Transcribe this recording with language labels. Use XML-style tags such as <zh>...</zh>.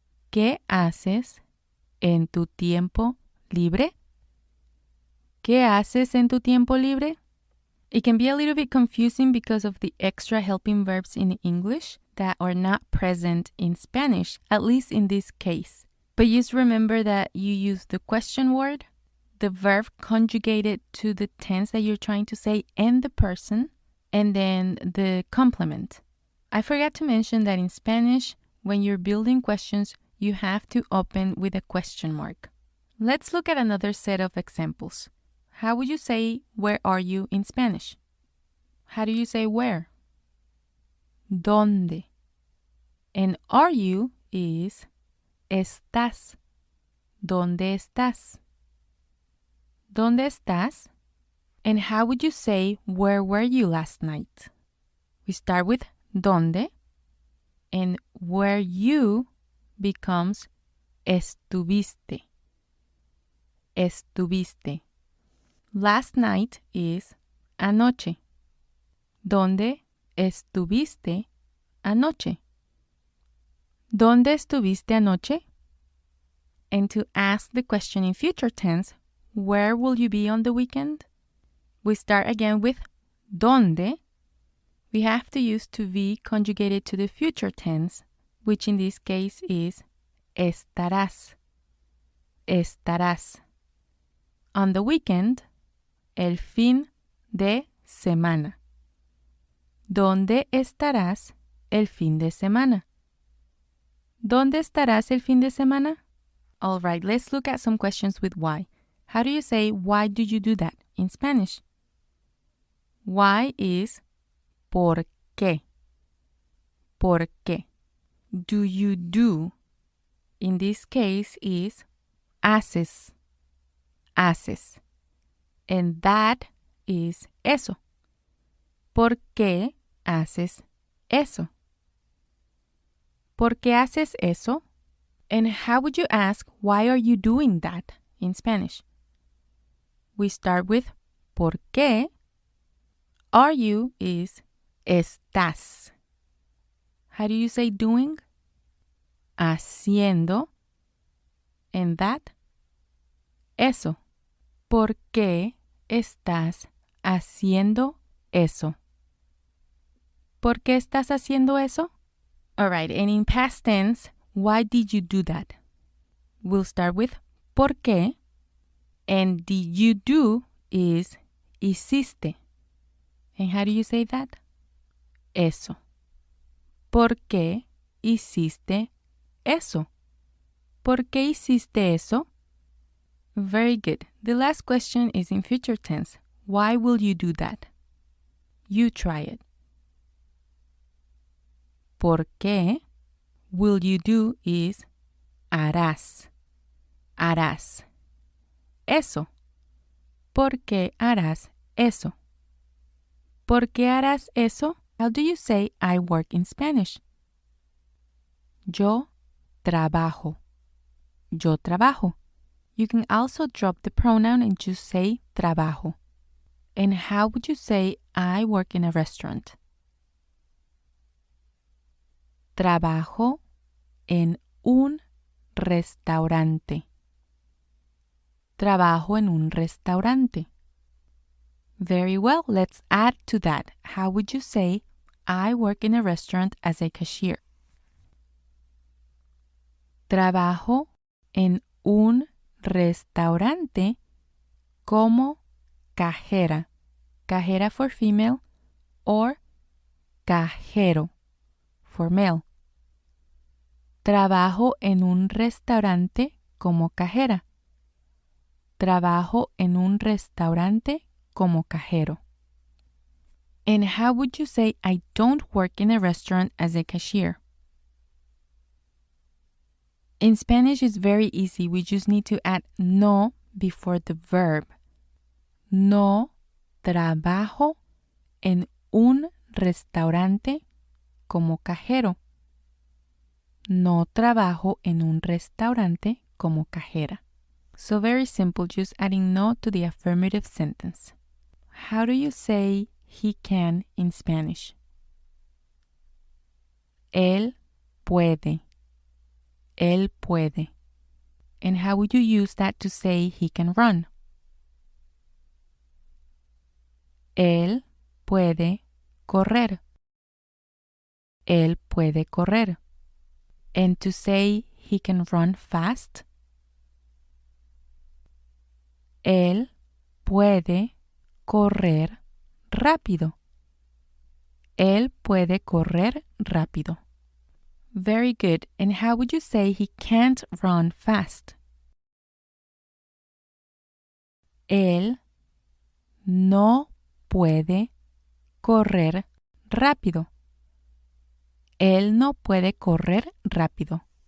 <es>¿Qué haces en tu tiempo libre? ¿Qué haces en tu tiempo libre?</es> <en>It can be a little bit confusing because of the extra helping verbs in English that are not present in Spanish, at least in this case. But just remember that you use the question word, the verb conjugated to the tense that you're trying to say and the person, and then the complement. I forgot to mention that in Spanish, when you're building questions, you have to open with a question mark. Let's look at another set of examples. How would you say, where are you in Spanish? How do you say where?</en> <es>¿Dónde?</es> <en>And are you is</en> <es>estás. ¿Dónde estás? ¿Dónde estás?</es> <en>And how would you say, where were you last night? We start with</en> <es>¿dónde?</es> <en>And where you becomes</en> <es>estuviste. Estuviste.</es> <en>Last night is</en> <es>anoche. ¿Dónde estuviste anoche? ¿Dónde estuviste anoche?</es> <en>And to ask the question in future tense, where will you be on the weekend? We start again with ¿dónde? We have to use to be conjugated to the future tense, which in this case is</en> <es>estarás. Estarás.</es> <en>On the weekend,</en> <es>el fin de semana. ¿Dónde estarás el fin de semana? ¿Dónde estarás el fin de semana?</es> <en>All right, let's look at some questions with why. How do you say why do you do that in Spanish? Why is</en> <es>¿por qué? ¿Por qué?</es> <en>Do you do? In this case is</en> <es>haces. Haces.</es> <en>And that is</en> <es>eso. ¿Por qué haces eso? ¿Por qué haces eso?</es> <en>And how would you ask why are you doing that in Spanish? We start with</en> <es>¿por qué?</es> <en>Are you is</en> <es>estás.</es> <en>How do you say doing?</en> <es>Haciendo.</es> <en>And that?</en> <es>Eso. ¿Por qué estás haciendo eso? ¿Por qué estás haciendo eso?</es> <en>All right, and in past tense, why did you do that? We'll start with</en> <es>¿por qué?</es> <en>And did you do is</en> <es>hiciste.</es> <en>And how do you say that?</en> <es>Eso. ¿Por qué hiciste eso? ¿Por qué hiciste eso?</es> <en>Very good. The last question is in future tense. Why will you do that? You try it.</en> <es>¿Por qué?</es> <en>Will you do is</en> <es>harás. Harás. Eso. ¿Por qué harás eso? ¿Por qué harás eso?</es> <en>How do you say I work in Spanish?</en> <es>Yo trabajo. Yo trabajo.</es> <en>You can also drop the pronoun and just say trabajo. And how would you say I work in a restaurant?</en> <es>Trabajo en un restaurante. Trabajo en un restaurante.</es> <en>Very well, let's add to that. How would you say, I work in a restaurant as a cashier?</en> <es>Trabajo en un restaurante como cajera. Cajera</es> <en>for female or</en> <es>cajero</es> <en>for male.</en> <es>Trabajo en un restaurante como cajera. Trabajo en un restaurante como cajero.</es> <en>And how would you say I don't work in a restaurant as a cashier? In Spanish, it's very easy. We just need to add no before the verb.</en> <es>No trabajo en un restaurante como cajero. No trabajo en un restaurante como cajera.</es> <en>So very simple, just adding no to the affirmative sentence. How do you say he can in Spanish?</en> <es>Él puede. Él puede.</es> <en>And how would you use that to say he can run?</en> <es>Él puede correr. Él puede correr.</es> <en>And to say he can run fast,</en> <es>él puede correr rápido. Él puede correr rápido.</es> <en>Very good. And how would you say he can't run fast?</en> <es>Él no puede correr rápido. Él no puede correr rápido.</es>